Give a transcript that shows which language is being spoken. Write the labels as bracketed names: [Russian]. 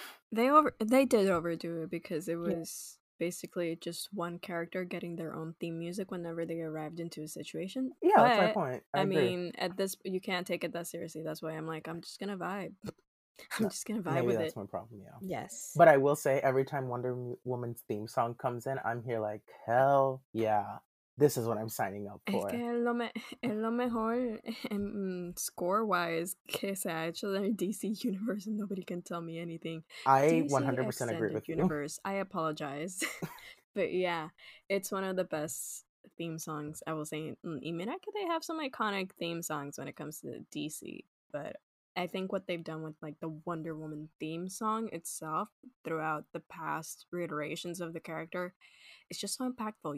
[English] They did overdo it, because it was basically just one character getting their own theme music whenever they arrived into a situation. Yeah, but, that's my point. I mean, at this, you can't take it that seriously. That's why I'm like, I'm just gonna vibe. I'm just gonna vibe with it. Maybe that's my problem, yeah. Yes. But I will say, every time Wonder Woman's theme song comes in, I'm here like, hell yeah. This is what I'm signing up for. [Spanish] Es que es lo mejor score-wise que se ha hecho en el DC Universe [English] and nobody can tell me anything. I 100% agree with Universe, you. I apologize. But yeah, it's one of the best theme songs, I will say. [Spanish] Y mira que [English] they have some iconic theme songs when it comes to DC. But I think what they've done with like the Wonder Woman theme song itself throughout the past reiterations of the character, it's just so impactful.